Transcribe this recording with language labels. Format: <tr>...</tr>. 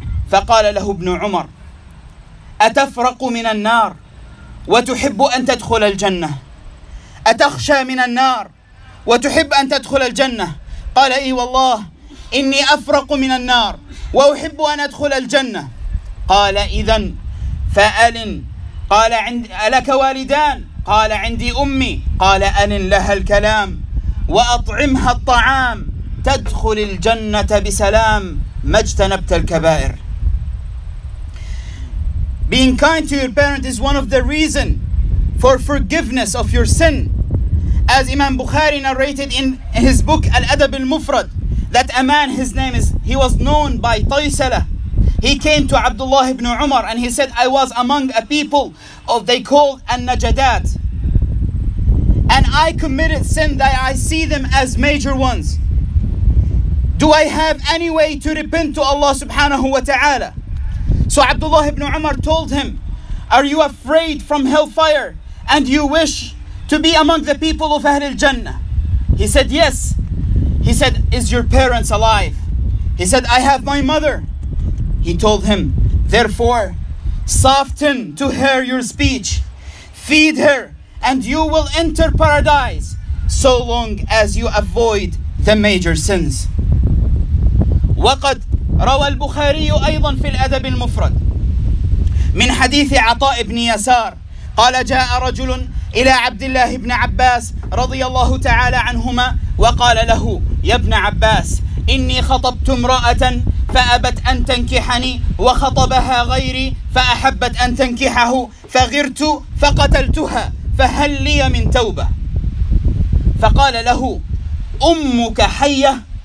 <ar>فقال له ابن عمر أتفرق من النار وتحب أن تدخل الجنة أتخشى من النار وتحب أن تدخل الجنة قال إي والله إني أفرق من النار وأحب أن أدخل الجنة قال إذن فألن قال ألك والدان قال عندي أمي قال ألن لها الكلام وأطعمها الطعام تدخل الجنة بسلام ما اجتنبت الكبائر.</ar> <en>Being kind to your parent is one of the reason for forgiveness of your sin. As Imam Bukhari narrated in his book Al-Adab Al-Mufrad, that a man, his name is, he was known by Taysalah. He came to Abdullah ibn Umar and he said, I was among a people of they called An-Najadat. And I committed sin that I see them as major ones. Do I have any way to repent to Allah subhanahu wa ta'ala? So Abdullah ibn Umar told him, are you afraid from hellfire and you wish to be among the people of Ahlul Jannah? He said, yes. He said, is your parents alive? He said, I have my mother. He told him, therefore, soften to her your speech, feed her, and you will enter paradise so long as you avoid the major sins.</en> <ar>وقد روى البخاري أيضا في الأدب المفرد من حديث عطاء بن يسار قال جاء رجل إلى عبد الله بن عباس رضي الله تعالى عنهما وقال له يا ابن عباس إني خطبت امرأة فأبت أن تنكحني وخطبها غيري فأحبت أن تنكحه فغرت فقتلتها فهل لي من توبة فقال له أمك حية</ar>